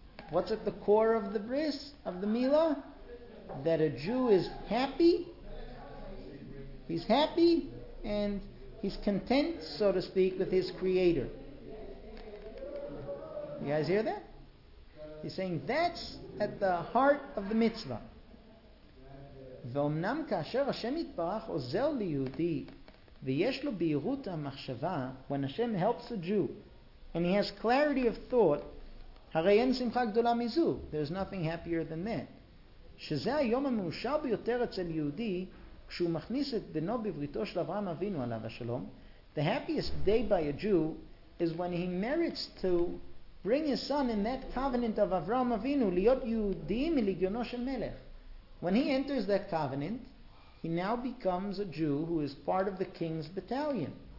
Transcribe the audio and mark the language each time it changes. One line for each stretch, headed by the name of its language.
English: What's at the core of the bris, of the mila? That a Jew is happy, he's happy, and he's content, so to speak, with his creator. You guys hear that? He's saying that's at the heart of the mitzvah.
Hebrew: ואומנם כאשר השם יתברך עוזר ליהודי ויש לו בהירות המחשבה,
English: when Hashem helps a Jew and he has clarity of thought,
Hebrew: הרי אין שמחה גדולה מזו.
English: There's nothing happier than that.
Hebrew: שזה היום המאושר ביותר אצל יהודי כשהוא מכניס את בנו בבריתו של אברהם אבינו עליו השלום.
English: The happiest day by a Jew is when he merits to bring his son in that covenant of Avraham Avinu
Hebrew: להיות יהודי מלגיונו של מלך.
English: When he enters that covenant, he now becomes a Jew who is part of the king's battalion.